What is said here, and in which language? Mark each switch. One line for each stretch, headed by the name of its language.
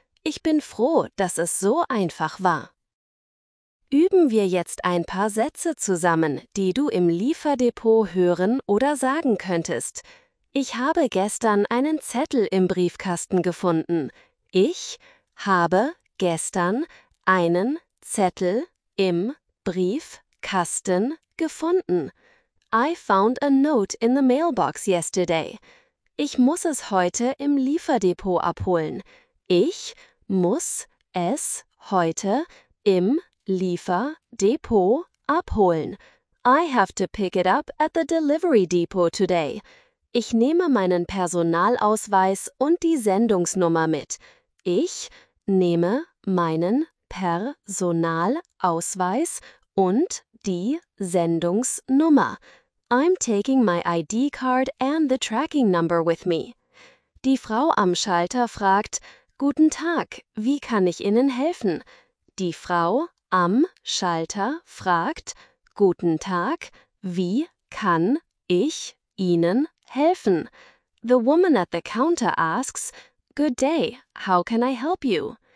German: Ich bin froh, dass es so einfach war. Üben wir jetzt ein paar Sätze zusammen, die du im Lieferdepot hören oder sagen könntest. Ich habe gestern einen Zettel im Briefkasten gefunden. Ich habe gestern einen Zettel im Briefkasten gefunden.
English: I found a note in the mailbox yesterday.
German: Ich muss es heute im Lieferdepot abholen. Ich muss es heute im Lieferdepot abholen.
English: I have to pick it up at the delivery depot today.
German: Ich nehme meinen Personalausweis und die Sendungsnummer mit. Ich nehme meinen Personalausweis und die Sendungsnummer.
English: I'm taking my ID card and the tracking number with me.
German: Die Frau am Schalter fragt: Guten Tag, wie kann ich Ihnen helfen? Die Frau am Schalter fragt: Guten Tag, wie kann ich Ihnen helfen?
English: The woman at the counter asks: Good day, how can I help you?